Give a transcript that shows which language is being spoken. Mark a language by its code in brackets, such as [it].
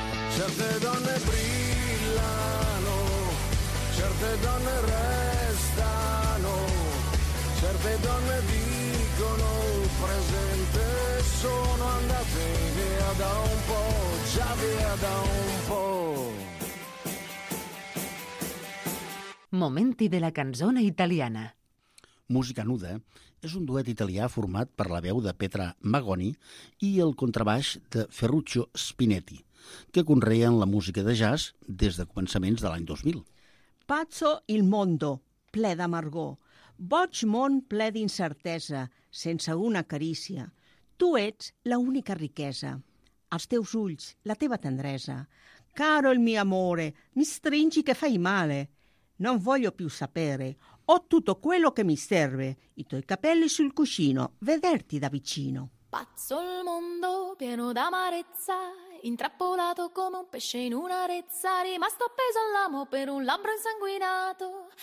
[it] Certe donne brillano, certe donne restano, certe donne dicono presente, sono andate via da un po', già via da un po'. Momenti della canzone italiana. [ca] Musica Nuda és un duet italià format per la veu de Petra Magoni i el contrabaix de Ferruccio Spinetti, que conreien la música de jazz des de començaments de l'any 2000. [it] Pazzo il mondo, [ca] ple d'amargor. Boig món ple d'incertesa, sense una carícia. Tu ets l'única riquesa. Els teus ulls, la teva tendresa. [it] Caro il mio amore, mi stringi che fai male. Non voglio più sapere, ho tutto quello che mi serve. I tuoi capelli sul cuscino, vederti da vicino. Pazzo il mondo, pieno d'amarezza. intrappolato come un pesce in un'arezza, rimasto appeso all'amo per un labbro insanguinato.